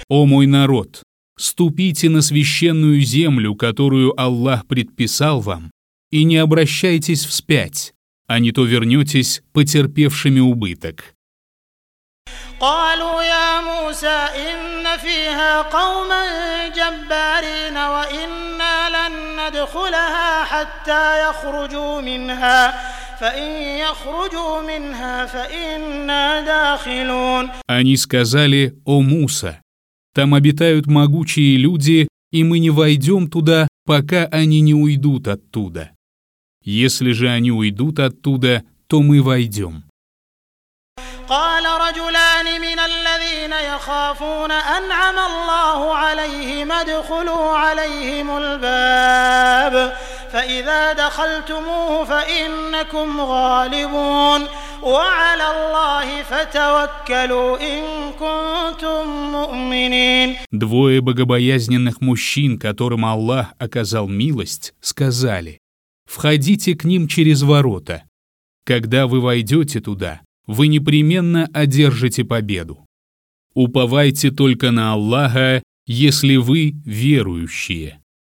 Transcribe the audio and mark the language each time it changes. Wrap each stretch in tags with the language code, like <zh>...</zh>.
<ru>О мой народ, ступите на священную землю, которую Аллах предписал вам, и не обращайтесь вспять, а не то вернетесь потерпевшими убыток.</ru> <ar>قالوا يا موسى إن فيها قوما جبارين وإنا لن ندخلها حتى يخرجوا منها فإن يخرجوا منها فإنا داخلون.</ar> <ru>Они сказали: «О Муса, там обитают могучие люди, и мы не войдем туда, пока они не уйдут оттуда. Если же они уйдут оттуда, то мы войдем».</ru> <ar>قال رجلان من الذين يخافون أنعم الله عليهم ادخلوا عليهم الباب فإذا دخلتموه فإنكم غالبون وعلى الله فتوكلوا إن كنتم مؤمنين.</ar> <ru>Двое богобоязненных мужчин, которым Аллах оказал милость, сказали: «Входите к ним через ворота. Когда вы войдете туда, вы непременно одержите победу. Уповайте только на Аллаха, если вы верующие».</ru>